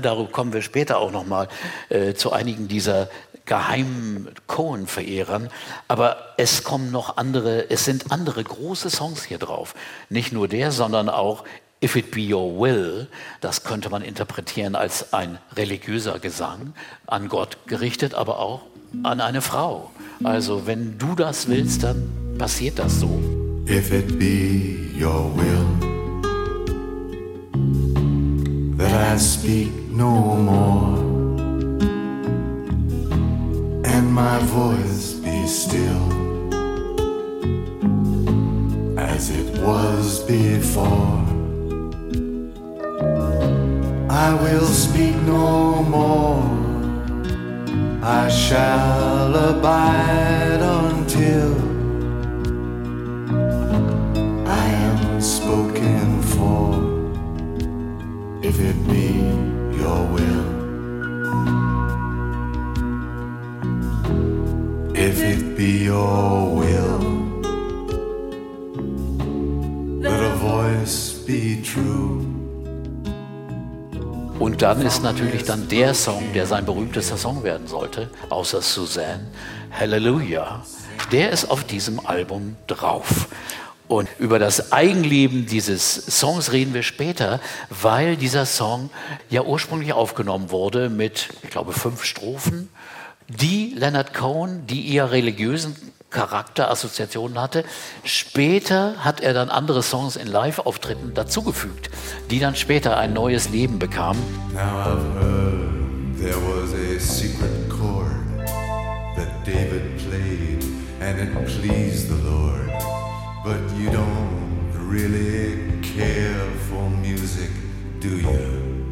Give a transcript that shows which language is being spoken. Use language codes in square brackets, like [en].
[de] Darüber kommen wir später auch nochmal zu einigen dieser Geheim-Cohen-Verehrern, aber es kommen noch andere, es sind andere große Songs hier drauf. Nicht nur der, sondern auch If It Be Your Will, das könnte man interpretieren als ein religiöser Gesang, an Gott gerichtet, aber auch an eine Frau. Also wenn du das willst, dann passiert das so. [en] If it be your will that I speak no more, my voice be still as it was before, I will speak no more, I shall abide until I am spoken for, if it be your will. If it be your will that a voice be true. [de] Und dann ist natürlich dann der Song, der sein berühmtester Song werden sollte, außer Suzanne, Hallelujah, der ist auf diesem Album drauf. Und über das Eigenleben dieses Songs reden wir später, weil dieser Song ja ursprünglich aufgenommen wurde mit, ich glaube, 5 Strophen, die Leonard Cohen, die eher religiösen Charakterassoziationen hatte, später hat er dann andere Songs in Live-Auftritten dazugefügt, die dann später ein neues Leben bekamen. [en] Now I've heard there was a secret chord that David played and it pleased the Lord. But you don't really care for music, do you?